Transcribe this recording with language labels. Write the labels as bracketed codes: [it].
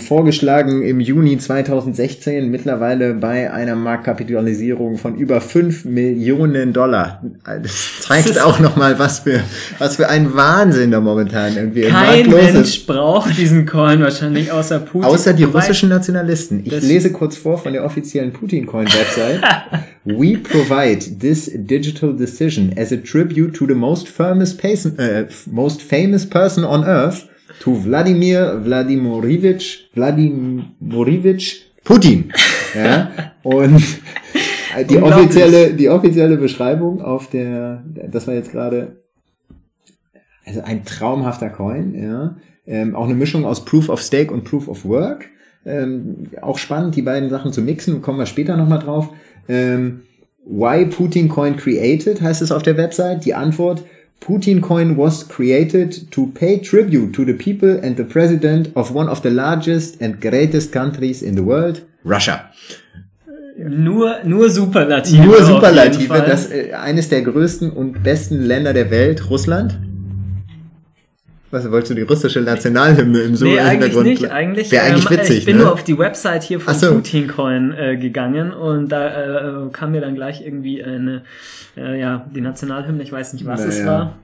[de] Vorgeschlagen im Juni 2016, mittlerweile bei einer Marktkapitalisierung von über 5 Millionen Dollar. Das zeigt auch nochmal, was für ein Wahnsinn da momentan irgendwie im Markt los ist. Kein Mensch braucht diesen Coin wahrscheinlich, außer Putin. Außer die russischen Nationalisten. Ich lese kurz vor von der offiziellen Putin-Coin-Website. [en] We provide this digital decision as a tribute to the most famous person on earth, to Vladimir Vladimirovich Putin. [de] Ja? Und die offizielle Beschreibung auf der, das war jetzt gerade, also ein traumhafter Coin, ja. Auch eine Mischung aus Proof of Stake und Proof of Work. Auch spannend, die beiden Sachen zu mixen, kommen wir später nochmal drauf. [en] Why Putin Coin created, [de] heißt es auf der Website. Die Antwort: [en] Putin Coin was created to pay tribute to the people and the president of one of the largest and greatest countries in the world, Russia. [de] Nur Superlative. Nur Superlative, das eines der größten und besten Länder der Welt, Russland. Was, wolltest du die russische Nationalhymne im Sohn Hintergrund? Nee, eigentlich nicht. Eigentlich, wäre eigentlich witzig, ich bin nur auf die Website hier von Putin-Coin gegangen und da kam mir dann gleich irgendwie eine, die Nationalhymne, ich weiß nicht, was es war.